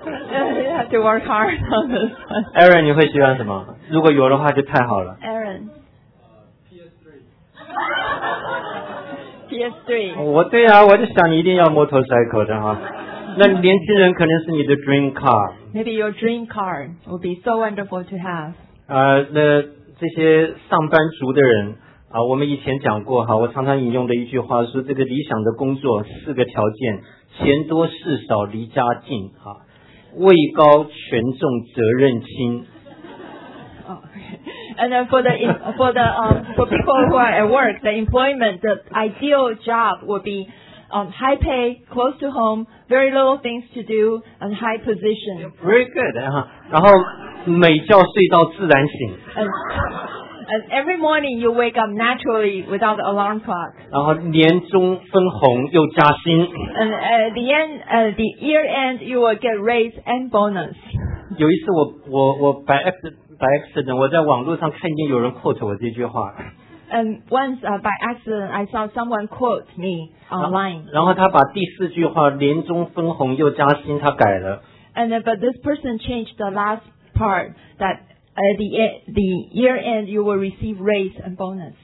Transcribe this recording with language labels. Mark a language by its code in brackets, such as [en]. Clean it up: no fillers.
[en] You have to work hard on this one. [zh] Aaron 你会喜欢什么如果有的话就太好了 [en] Aaron PS3 [zh] 我对啊我就想你一定要 motorcycle 的哈那年轻人可能是你的 dream car [en] Maybe your dream car would be so wonderful to have [zh] 那这些上班族的人啊，我们以前讲过哈，我常常引用的一句话是这个理想的工作四个条件钱多事少离家近哈，位高权重责任轻、 [en] okay. And then for people who are at work the employment the ideal job would beBe high pay close to home very little things to do and high position very good、 [zh] 然后每觉睡到自然醒 [en] and every morning you wake up naturally without the alarm clock [zh] 然后年终分红又加薪 [en] and at the end the year end you will get raise and bonus [zh] 有一次我 [en] by accident [zh] 我在网络上看见有人 quote 我这句话 [en] And once, by accident, I saw someone quote me online. [zh] 然后他把第四句话年终分红又加薪，他改了。 [en] And then, but this person changed the last part that at the year end you will receive raise and bonus.